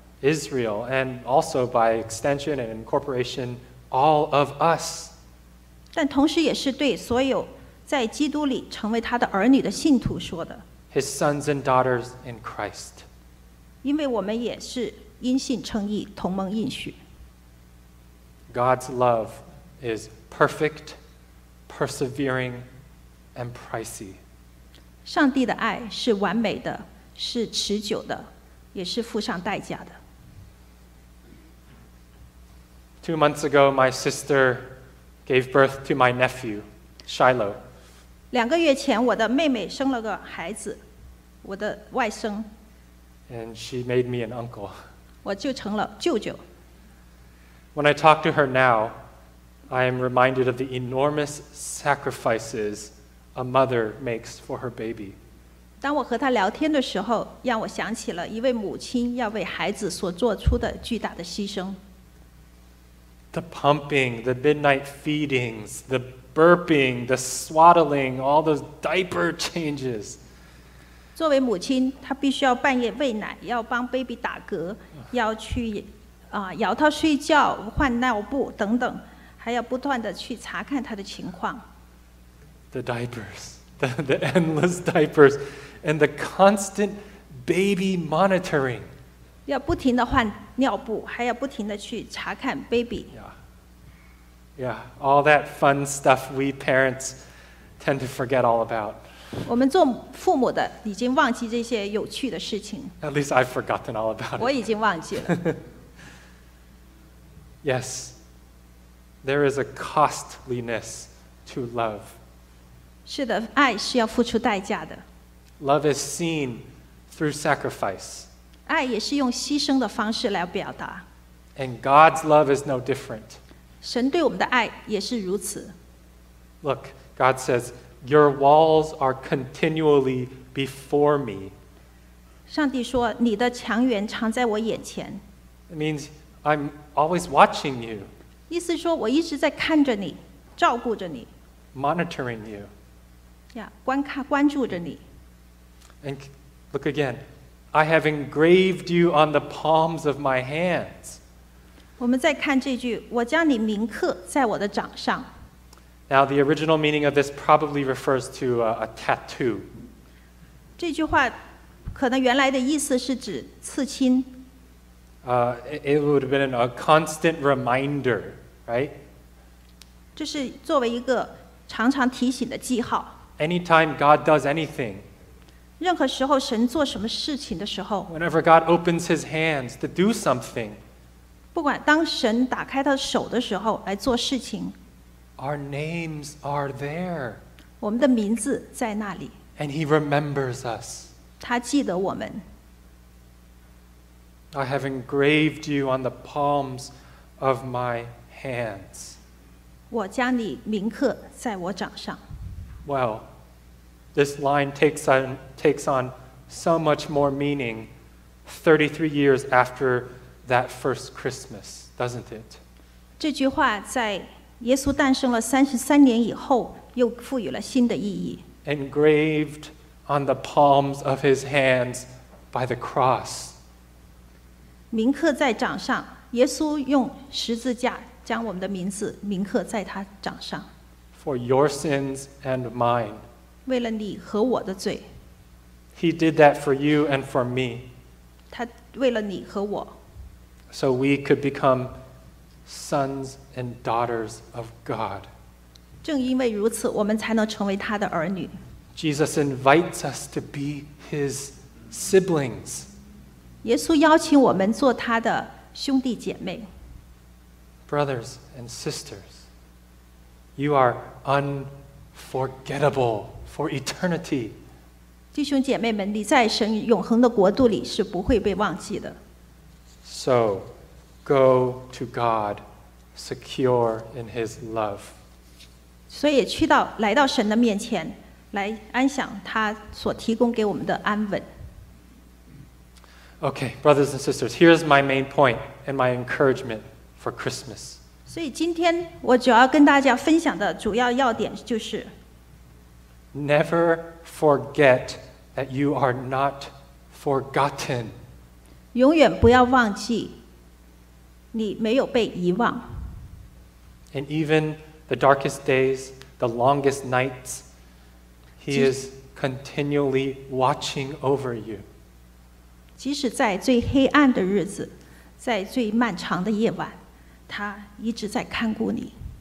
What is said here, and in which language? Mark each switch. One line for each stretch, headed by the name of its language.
English: Israel, and also by extension and incorporation, all of us.
Chinese: 但同时也是对所有在基督里成为他的儿女的信徒说的。
English: His sons and daughters in Christ.
Chinese: 因为我们也是因信称义，同蒙应许。
English: God's love is perfect, persevering, and pricey.
Chinese: 上帝的爱是完美的，是持久的，也是付上代价的。
English: 2 months ago, my sister gave birth to my nephew, Shiloh.
Chinese: 两个月前，我的妹妹生了个孩子，我的外甥。
English: And she made me an uncle.
Chinese: 我就成了舅舅。
English: When I talk to her now, I am reminded of the enormous sacrifices a mother makes for her baby.
Chinese: 当我和她聊天的时候，让我想起了一位母亲要为孩子所做出的巨大的牺牲。
English: The pumping, the midnight feedings, the burping, the swaddling, all those diaper changes.
Chinese: 作为母亲，她必须要半夜喂奶，要帮 baby 打嗝，要去摇他睡觉，换尿布等等，还要不断的去查看他的情况。
English: The diapers, the endless diapers, and the constant baby monitoring.
Chinese: 要不停的换尿布，还要不停的去查看 baby。
English: Yeah, all that fun stuff we parents tend to forget all about.
Chinese: 我们做父母的已经忘记这些有趣的事情。
English: At least I've forgotten all about it.
Chinese: 我已经忘记了。
English: Yes, there is a costliness to love.
Chinese: 是的，爱是要付出代价的。
English: Love is seen through sacrifice.
Chinese: 爱也是用牺牲的方式来表达。
English: And God's love is no different.
Chinese: 神对我们的爱也是如此。
English: Look, God says, "Your walls are continually before me."
Chinese: 上帝说，你的墙垣常在我眼前。
English: It means I'm always watching you.
Chinese: 意思说，我一直在看着你，照顾着你。
English: Monitoring you.
Chinese: 呀，观看，关注着你。
English: And look again, I have engraved you on the palms of my hands.
Chinese: 我们再看这句，我将你铭刻在我的掌上。
English: Now, the original meaning of this probably refers to a tattoo.
Chinese: 这句话可能原来的意思是指刺青。
English: It would have been a constant reminder, right?
Chinese: 这是作为一个常常提醒的记号。
English: Anytime God does anything,
Chinese: 任何时候神做什么事情的时候，
English: whenever God opens his hands to do something,
Chinese: 不管当神打开他手的时候来做事情，
English: Our names are there.
Chinese: 我们的名字在那里。
English: And he remembers us.
Chinese: 他记得我们。
English: I have engraved you on the palms of my hands.
Chinese: 我将你铭刻在我掌上。
English: Well, this line takes on so much more meaning 33 years after that first Christmas, doesn't it?
Chinese: 这句话在耶稣诞生了33年以后又赋予了新的意义。
English: Engraved on the palms of his hands by the cross.
Chinese: 铭刻在掌上，耶稣用十字架将我们的名字铭刻在他掌上。
English: For your sins and mine.
Chinese: 为了你和我的罪。
English: He did that for you and for me.
Chinese: 他为了你和我。
English: So we could becomeSons and daughters of God.
Chinese: 正因为如此，我们才能成为他的儿女。
English: Jesus invites us to be his siblings.
Chinese: 耶稣邀请我们做他的兄弟姐妹。
English: Brothers and sisters, you are unforgettable for eternity.
Chinese: 弟兄姐妹们，你在神永恒的国度里是不会被忘记的。
English: So,Go to God, secure in His love.
Chinese: 所以去到来到神的面前，来安享他所提供给我们的安稳。
English: Okay, brothers and sisters, here's my main point and my encouragement for Christmas.
Chinese: 所以今天我主要跟大家分享的主要要点就是
English: Never forget that you are not forgotten.
Chinese: 永远不要忘记。你没有被遗忘。
English: And even the darkest days, the longest nights, He is continually watching over you.
Chinese: 即使在最黑暗的日子，在最漫长的夜晚，他一直在看顾你。